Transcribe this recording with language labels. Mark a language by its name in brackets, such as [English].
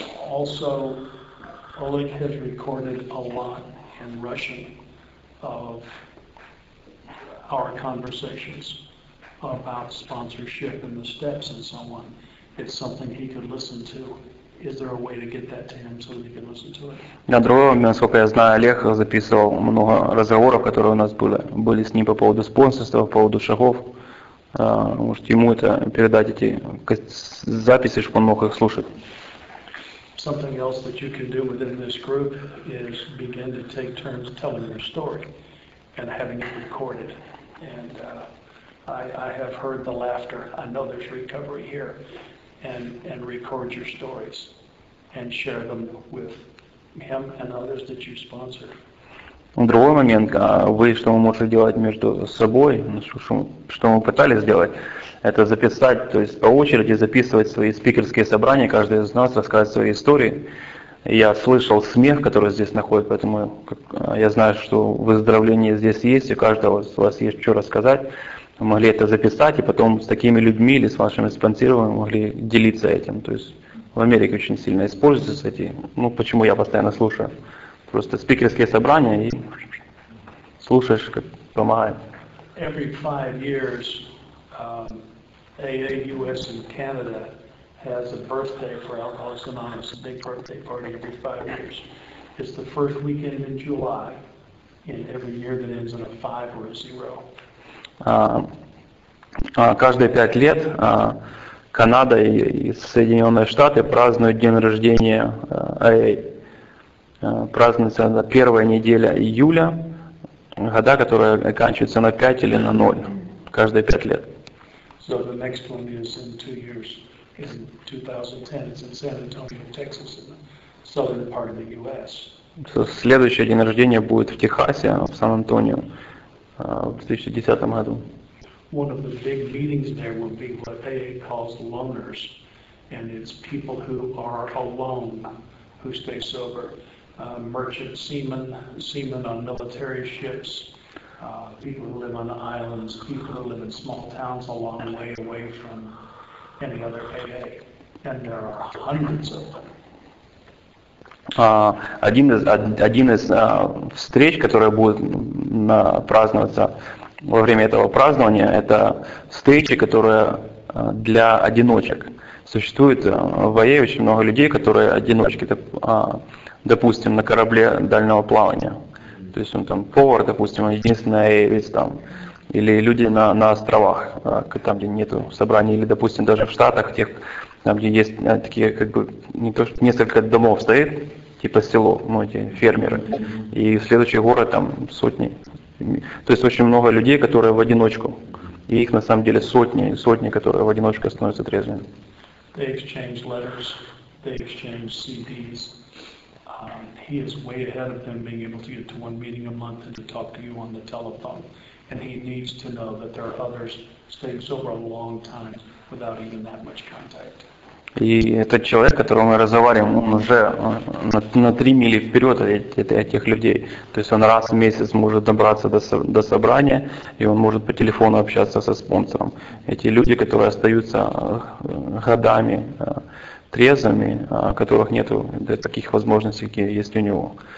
[English] Also, Oleg has recorded a lot in Russian of our conversations about sponsorship and the steps and so on. It's something he could listen to. Is there a way to get that to him so that he can listen to it? [Russian] На другом, насколько я знаю, Олег записывал много разговоров, которые у нас были с ним по поводу спонсорства, по поводу шагов. Может ему это передать эти записи, чтобы он мог их слушать. [English] Something else that you can do within this group is begin to take turns telling your story and having it recorded. And I have heard the laughter. I know there's recovery here. And record your stories and share them with him and others that you sponsor. [Russian] Другой момент, вы что вы можете делать между собой, что мы пытались сделать, это записать, то есть по очереди записывать свои спикерские собрания, каждый из нас рассказывает свои истории. Я слышал смех, который здесь находит, поэтому я знаю, что выздоровление здесь есть, и у каждого из вас есть что рассказать. Вы могли это записать, и потом с такими людьми или с вашими спонсорами могли делиться этим. То есть в Америке очень сильно используются эти, ну почему я постоянно слушаю. Просто спикерские собрания и слушаешь, как помогает. [English] Every 5 years AA US and Canada has a birthday for Alcoholics Anonymous, a big birthday party every 5 years. It's the first weekend in July in every year that ends in a 5 or a 0. [Russian] Каждые 5 лет Канада и Соединенные Штаты празднуют день рождения AA. Празднуется на первая неделя июля, года, которые оканчиваются на 5 или на 0, каждые 5 лет. [English] So the next one is in 2 years, in 2010, it's in San Antonio, Texas, in the southern part of the US. [Russian] So, следующее день рождения будет в Техасе, в Сан-Антонио, в 2010 году. [English] One of the big meetings there will be what AA calls loners, and it's people who are alone, who stay sober. Merchant seamen on military ships, people who live on the islands, people who live in small towns a long way away from any other AA, and there are hundreds of them. [Russian] Один из встреч, которая будет праздноваться во время этого празднования, это встречи, которые для одиночек. Существует в АА очень много людей, которые одиночки. Допустим, на корабле дальнего плавания. То есть он там повар, допустим, единственный аэвец там. Или люди на островах, там, где нету собраний. Или, допустим, даже в Штатах, тех, там, где есть такие, как бы, не то, несколько домов стоит. типа село, ну, эти фермеры. И следующий город там сотни. То есть очень много людей, которые в одиночку. И их на самом деле сотни и сотни, которые в одиночку становятся трезвыми. [English] They exchange letters, they exchange CDs. He is way ahead of them being able to get to one meeting a month and to talk to you on the telephone. And he needs to know that there are others staying sober a long time without even that much contact. [Russian] И этот человек, которого мы разговариваем, он уже на 3 мили вперед этих людей. То есть он раз в месяц может добраться до собрания, и он может по телефону общаться со спонсором. Эти люди, которые остаются годами трезвыми, которых нет таких возможностей, какие есть у него.